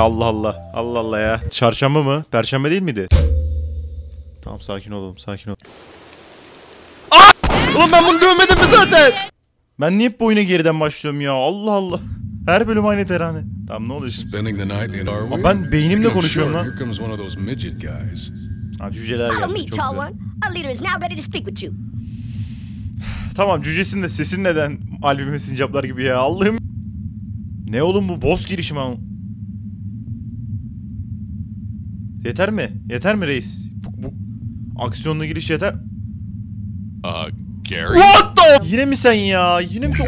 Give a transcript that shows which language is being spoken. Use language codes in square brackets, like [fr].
[tr] Allah Allah. Allah Allah ya. Çarşamba mı? Perşembe değil miydi? Tamam, sakin olalım, sakin ol. Ulan ben bunu dövmedim mi zaten? Ben niye hep bu oyuna geriden başlıyorum ya? Allah Allah. Her bölüm aynı terhane. Tamam, ne oluyor? [en] Spending the night in our [tr] ben beynimle konuşuyorum lan. [en] Here comes one of those midget guys. [tr] Ha, cüceler geldi. Çok güzel. [en] A leader is now ready to speak with you. [tr] Tamam, cücesin de sesin neden albümün sincaplar gibi ya? Allah'ım. Ne oğlum bu? Boss girişim ama. Yeter mi? Yeter mi reis? Bu aksiyonlu giriş yeter. Gary. [en] What the? [tr] Yine mi sen ya? Yine mi sen?